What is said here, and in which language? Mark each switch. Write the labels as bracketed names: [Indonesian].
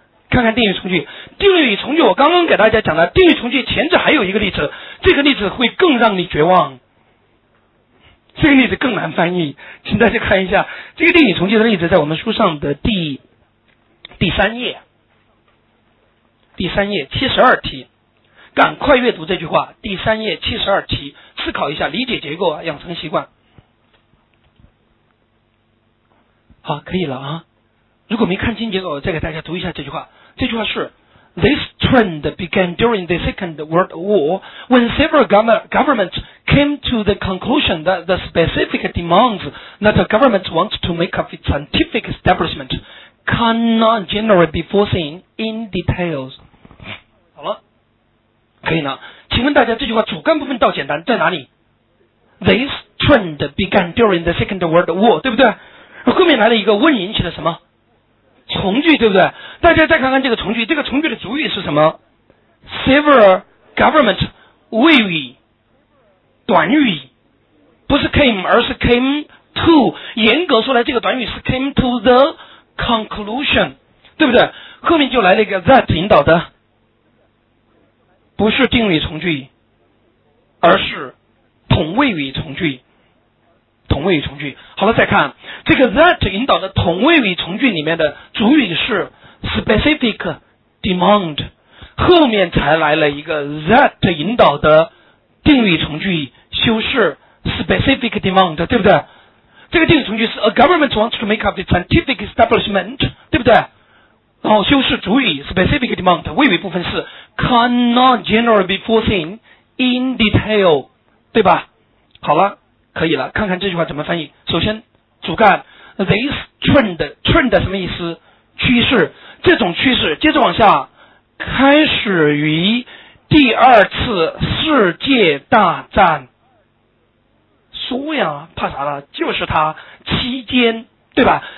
[Chinese] 看看定语从句，定语从句我刚刚给大家讲的，定语从句前者还有一个例子，这个例子会更让你绝望，这个例子更难翻译，请大家看一下，这个定语从句的例子在我们书上的第三页，第三页72题，赶快阅读这句话，第三页72题，思考一下，理解结构，养成习惯。好，可以了啊！如果没看清结果，再给大家读一下这句话。这句话是 [English] ：This trend began during the Second World War when several governments came to the conclusion that the specific demands that a government wants to make of its scientific establishment cannot generally be foreseen in details。 [Chinese] 好了，可以了。请问大家，这句话主干部分倒简单在哪里 ？ [English] This trend began during the Second World War， [Chinese] 对不对？后面来了一个问引起了什么从句，对不对？大家再看看这个从句，这个从句的主语是什么 ？ [English] Several government [Chinese] 谓语，短语，不是 came 而是 came to。严格说来，这个短语是 [English] came to the [Chinese] conclusion， 对不对？后面就来了一个 that 引导的，不是定语从句，而是同位语从句。同位语从句，好了，再看这个 that 引导的同位语从句里面的主语是 specific demand， 后面才来了一个 that 引导的定语从句修饰 specific demand， 对不对？这个定语从句是 [English] a government wants to make up the scientific establishment， [Chinese] 对不对？然后修饰主语 specific demand， 谓语部分是 [English] cannot generally be foreseen in detail， [Chinese] 对吧？好了，可以了，看看这句话怎么翻译。首先主干 this trend 什么意思？趋势，这种趋势。接着往下，开始于第二次世界大战，说呀，怕啥了，就是它期间，对吧？